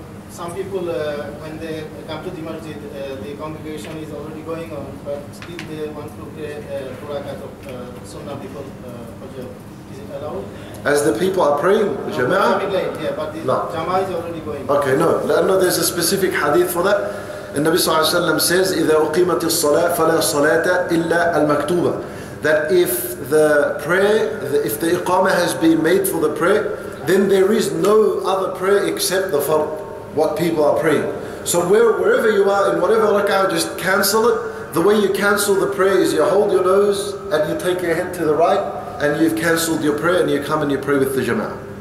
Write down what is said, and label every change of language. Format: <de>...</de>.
<en>Some people, when they come to the masjid, the congregation is already going on, but still they want to pray two rakat of sunnah before fajr. Is it allowed? As the people are praying, the jama'ah? Yeah, but the jama'ah is already going. Okay, no. لأنه there's a specific hadith for that.</en> <ar>The Nabi صلى الله عليه وسلم says, إِذَا أُقِيمَتِ الصَّلَاةِ فَلَا صَلَاةَ إِلَّا الْمَكْتُوبَةِ.</ar> <en>That if the prayer, if the iqama has been made for the prayer, then there is no other prayer except the fard, what people are praying. So wherever you are, in whatever rak'ah, just cancel it. The way you cancel the prayer is you hold your nose and you take your head to the right, and you've cancelled your prayer, and you come and you pray with the jama'ah.</en>